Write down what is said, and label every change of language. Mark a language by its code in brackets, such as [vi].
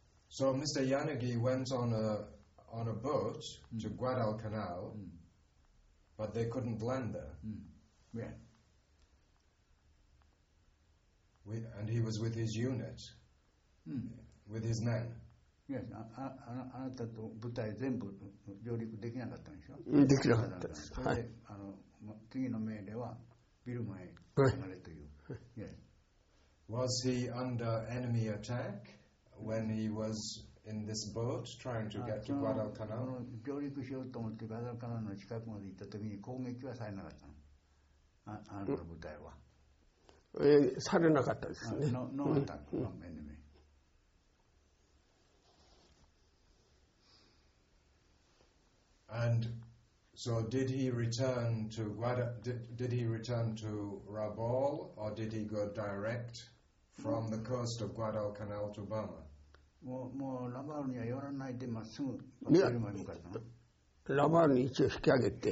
[en] So Mr. Yanagi went on a boat to Guadalcanal, but they couldn't land there. And he was with his unit, with his men. [ja] あなたと部隊全部上陸できなかったんでしょ？できなかったです。それで、はい、次の命令はビルマへ行かれという。 [en] Was he under enemy attack when he was in this boat trying to get to Guadalcanal? [ja] 上陸しようと思ってガダルカナルの近くまで行った時に攻撃はされなかったの。あなたの部隊は。されなかったですね。 [en] ノーアタック、エネミー。 And so, did he return to Rabaul, or did he go direct from the coast of Guadalcanal to Burma? [ja] もうラバールには寄らないでまっすぐビルマに向かったの。ラバールに一応引き上げて。